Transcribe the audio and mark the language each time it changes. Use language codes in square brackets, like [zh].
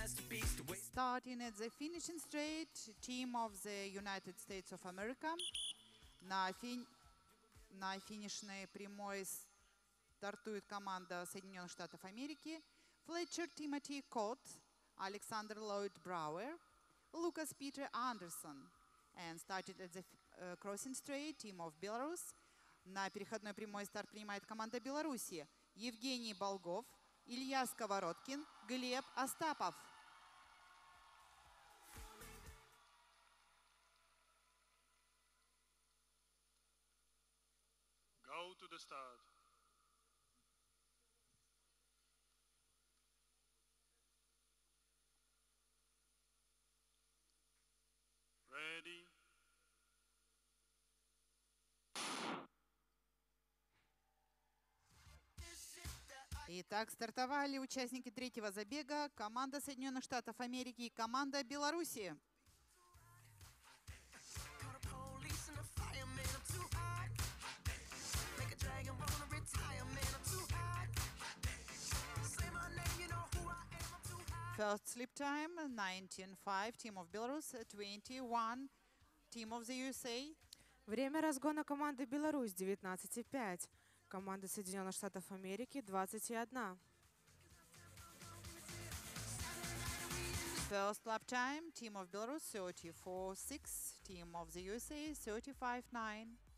[en] Starting at the finishing straight, team of the United States of America. [ru] На финишной прямой стартует команда Соединенных Штатов Америки. Флетчер Тимоти Кот, Александр Ллойд Брауэр, Лукас Питер Андерсон. [en] And started at the crossing straight, team of Belarus. [ru] На переходной прямой старт принимает команда Беларуси. Евгений Болгов, Илья Сковородкин, Глеб Остапов. [en] the start. Ready. [ru] Итак, стартовали участники третьего забега. Команда Соединенных Штатов Америки и команда Беларуси. [en] First slip time, 19.5, team of Belarus, 21, team of the USA. [ru] Время разгона команды Беларусь, 19.5. Команда Соединенных Штатов Америки, 21. [en] First lap time, team of Belarus, 34.6, team of the USA, 35.9.